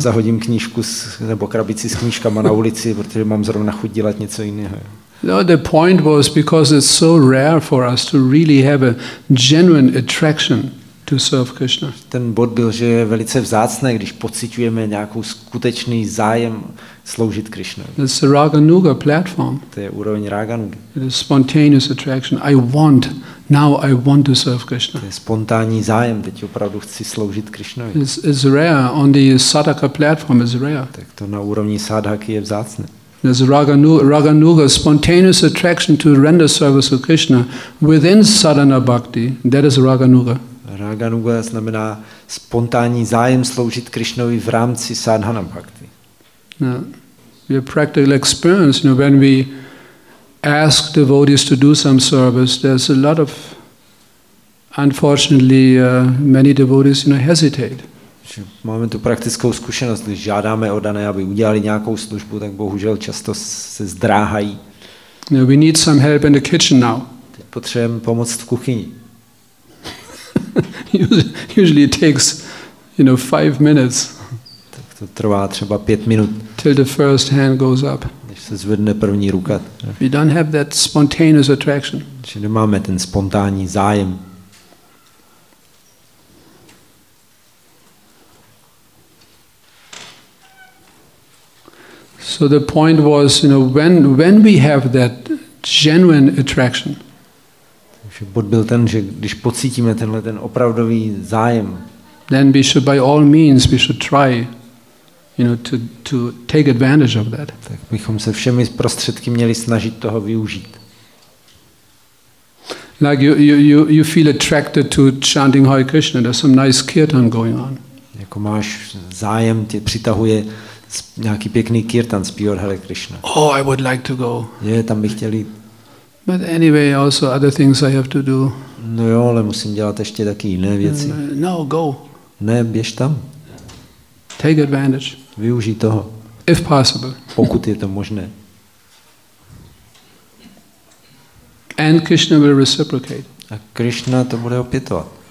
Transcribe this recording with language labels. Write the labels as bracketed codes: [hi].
[cs] Zahodím knížku nebo krabici s knížkama na ulici, protože mám zrovna chuť dělat něco jiného. [en] No, the point was because it's so rare for us to really have a genuine attraction to serve Krishna. [cs] Ten bod byl, že je velice vzácné, když pociťujeme nějakou skutečný zájem sloužit Krishna. [en] It's the Raganuga platform. [cs] To je úroveň Raganugy. [en] It is spontaneous attraction. I want to serve Krishna. [cs] To je spontánní zájem, teď opravdu chci sloužit Krishnovi. [en] It's rare on the Sadaka platform, it's rare. [cs] Tak to na úrovni Sadhaky je vzácné. [en] There's Raganuga, spontaneous attraction to render service to Krishna within sadhana bhakti, that is Raganuga. [cs] Raganuga znamená spontánní zájem sloužit Krishnovi v rámci sadhana bhakti. [en] We have practical experience, you know, when we ask devotees to do some service, there's a lot of, unfortunately, many devotees, you know, hesitate. [cs] Máme tu praktickou zkušenost, když žádáme oddané, aby udělali nějakou službu, tak bohužel často se zdráhají. [en] No, we need some help in the kitchen now. [cs] Teď potřebujeme pomoc v kuchyni. [en] Usually it takes, you know, 5 minutes. [cs] Tak to trvá třeba 5 minut. [en] Till the first hand goes up. [cs] Než se zvedne první ruka. [en] We don't have that spontaneous attraction. [cs] Že nemáme ten spontánní zájem. [en] So the point was, you know, when we have that genuine attraction. [cs] Takže bod byl ten, že když pocítíme tenhle ten opravdový zájem, [en] then we should by all means we should try, you know, to take advantage of that. [cs] Tak bychom se všemi prostředky měli snažit toho využít. [en] Like you feel attracted to chanting Hare Krishna, there's some nice kirtan going on. [cs] Jako máš zájem, tě přitahuje nějaký pěkný kirtan zpívat Hare Krishna. [en] Oh, I would like to go. [cs] Je, tam bych chtěl jít. [en] But anyway, also other things I have to do. [cs] No jo, ale musím dělat ještě taky jiné věci. [en] No, go. [cs] Ne, běž tam. [en] Take advantage. [cs] Využij toho. [en] If possible. [cs] Pokud je to možné. [en] And Krishna will reciprocate. [cs] A Krishna to bude opětovat.